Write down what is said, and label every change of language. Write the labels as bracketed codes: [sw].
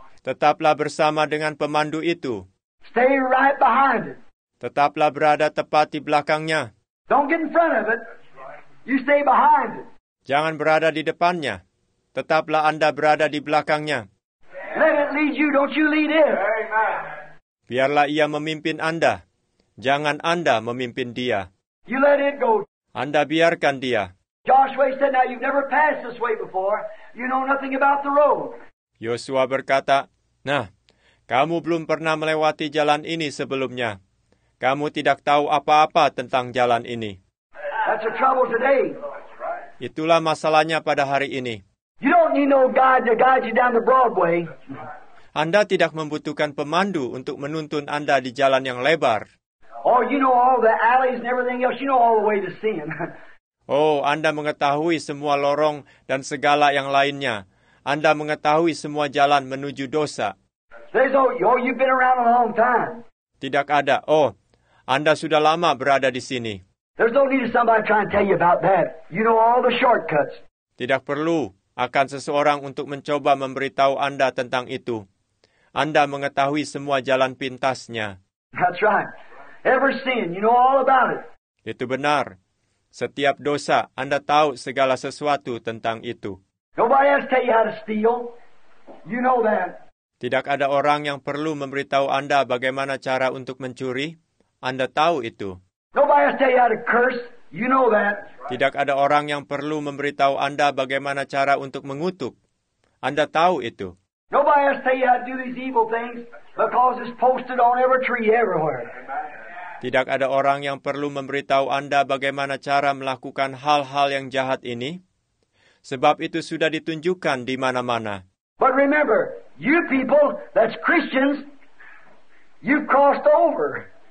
[id] Tetaplah bersama dengan pemandu itu. [en] Stay right behind it. [id] Tetaplah berada tepat di belakangnya. [en] Don't get in front of it. You stay behind it. [id] Jangan berada di depannya. Tetaplah Anda berada di belakangnya. [en] Let it lead you, don't you lead it. [id] Biarlah ia memimpin Anda. Jangan Anda memimpin dia. [en] You let it go. [id] Anda biarkan dia. [en] Joshua said, now you've never passed this way before. You know nothing about the road. [id] Yosua berkata, nah, kamu belum pernah melewati jalan ini sebelumnya. Kamu tidak tahu apa-apa tentang jalan ini. [en] That's a trouble today. [id] Itulah masalahnya pada hari ini. [en] You don't need no God to guide you down the broad way. [id] Anda tidak membutuhkan pemandu untuk menuntun Anda di jalan yang lebar. [en] Oh, you know all the alleys and everything else. You know all the way to sin. [id] Oh, Anda mengetahui semua lorong dan segala yang lainnya. Anda mengetahui semua jalan menuju dosa. [en] You've been around a long time. [id] Tidak ada. Oh, Anda sudah lama berada di sini. [en] There's no need of somebody trying to tell you about that. You know all the shortcuts. [id] Tidak perlu akan seseorang untuk mencoba memberitahu Anda tentang itu. Anda mengetahui semua jalan pintasnya. [en] That's right. Every sin, you know all about it. [id] Itu benar. Setiap dosa, Anda tahu segala sesuatu tentang itu. [en] Nobody has to tell you how to steal. You know that. [id] Tidak ada orang yang perlu memberitahu Anda bagaimana cara untuk mencuri. Anda tahu itu. [en] Nobody has to tell you how to curse. You know that. [id] Tidak ada orang yang perlu memberitahu Anda bagaimana cara untuk mengutuk. Anda tahu itu. [en] Nobody has to tell you how to do these evil things because it's posted on every tree everywhere. [id] Tidak ada orang yang perlu memberitahu Anda bagaimana cara melakukan hal-hal yang jahat ini. Sebab itu sudah ditunjukkan di mana-mana. [en] But remember, you people that's Christians, you've crossed over.